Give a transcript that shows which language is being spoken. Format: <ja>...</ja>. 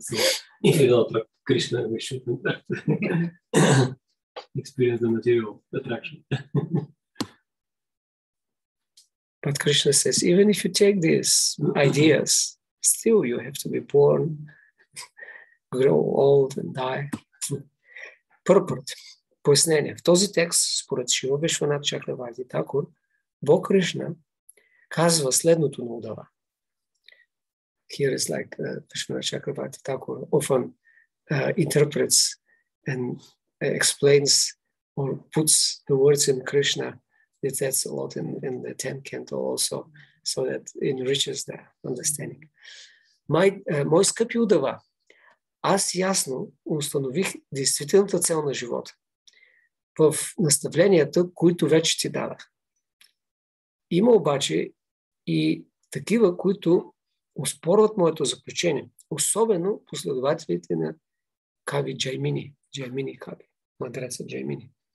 <en>So if you don't like Krishna, we should experience the material attraction. But Krishna says, even if you take these ideas, still you have to be born, grow old and die. Purport.</en> <bg>Пояснение. В този текст, според Шива Вишванат Чакраварти Такур, Бог Кришна казва следното на Удава.</bg> <en>Here is like Вишванат Чакраварти Такур often interprets and explains or puts the words in Krishna. It says a lot in the 10th canto also, so that enriches the understanding.</en> <bg>Мой скъпи Удава, аз ясно установих действителната цел на живота в наставленията, които вече ти дадах. Има обаче и такива, които оспорват моето заключение, особено последователите на Кави Джаймини, Джаймини Кави, мадреца Джаймини.</bg>